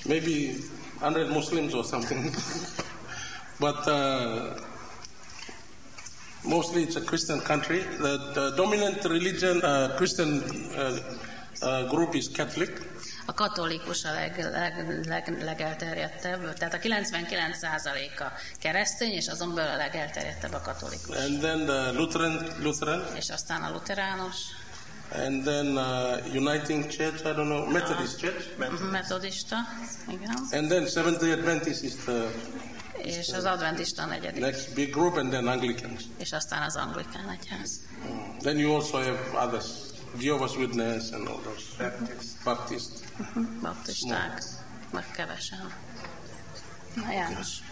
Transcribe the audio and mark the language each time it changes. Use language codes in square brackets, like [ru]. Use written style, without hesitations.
[en] Maybe 100 Muslims or something. But mostly it's a Christian country. The dominant religion, Christian group is Catholic. [hu] A katolikus a legelterjedtebb, tehát a 99%-a keresztény, és azon belül a legelterjedtebb a katolikus. [en] And then the Lutheran. [hu] És aztán a luteránus. [en] And then Uniting Church, I don't know, Methodist Church. [hu] Methodista, igen. [en] And then Seventh-day Adventist is the... [hu] És az adventista negyedik. [en] Next big group, and then Anglicans. [hu] És aztán az anglikán egyház. [en] Then you also have others. Jehovah's Witness and all those. Baptist. [hu] Baptisták. Meg kevesen. János.